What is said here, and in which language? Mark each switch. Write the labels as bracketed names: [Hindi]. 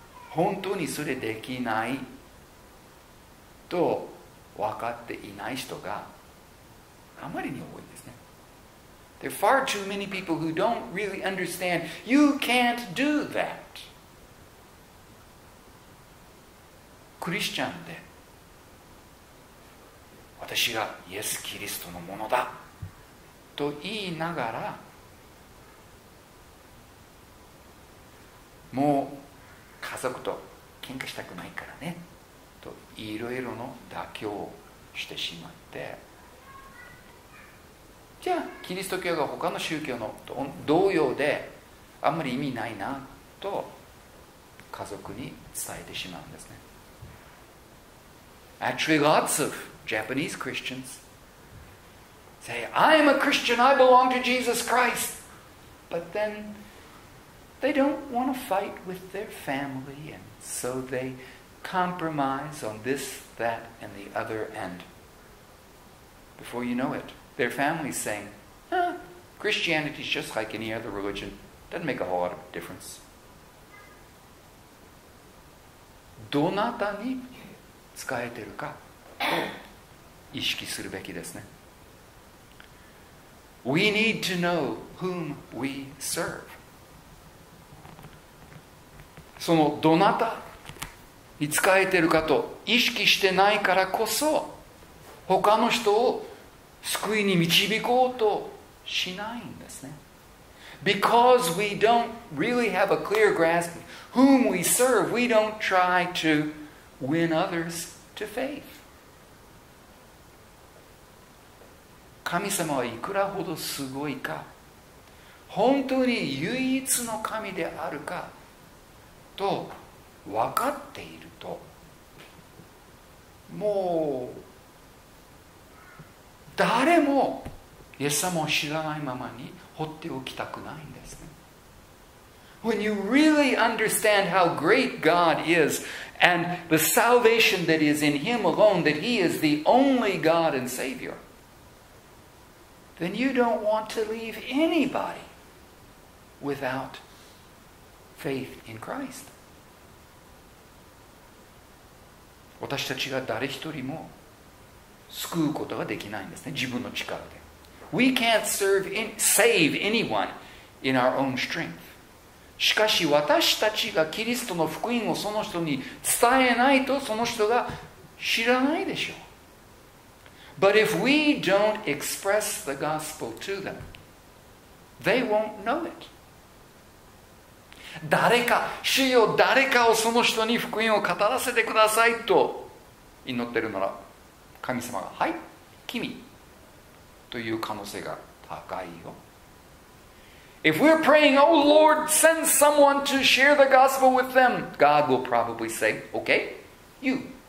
[Japanese] 本当にそれできないと分かっていない人があまりに多いですね。 [English] There are far too many people who don't really understand. You can't do that. [Japanese] クリスチャンで私がイエス・キリストのものだと言いながらもう家族と喧嘩したくないからねといろいろの妥協をしてしまって、じゃあキリスト教が他の宗教のと同様であんまり意味ないなと家族に伝えてしまうんですね。 [English] Actually, lots of Japanese Christians say, I am a Christian, I belong to Jesus Christ. But then they don't want to fight with their family, and so they compromise on this, that, and the other. And before you know it, their family's saying, Christianity's just like any other religion. Doesn't make a whole lot of difference. [Japanese] どなたに使えてるかを意識するべきですね。 [English] We need to know whom we serve. [Japanese] そのどなたに使えてるかと意識してないからこそ、他の人を救いに導こうとしないんですね。 [English] Because we don't really have a clear grasp of whom we serve, we don't try to win others. To faith. [Japanese] 神様はいくらほどすごいか、本当に唯一の神であるかと分かっていると、もう誰もイエス様を知らないままに放っておきたくないんですね。 [English] When you really understand how great God is and the salvation that is in Him alone, that He is the only God and Savior, then you don't want to leave anybody without faith in Christ. [Japanese] 私たちが誰一人も救うことができないんですね、自分の力で。 [English] We can't save anyone in our own strength. [Japanese] しかし私たちがキリストの福音をその人に伝えないとその人が知らないでしょう。 [English] But if we don't express the gospel to them, they won't know it. [Japanese] 誰か、主よ、誰かをその人に福音を語らせてくださいと祈ってるなら、神様が、はい、君という可能性が高いよ。 [English] If we're praying, oh Lord, send someone to share the gospel with them, God will probably say, okay, you.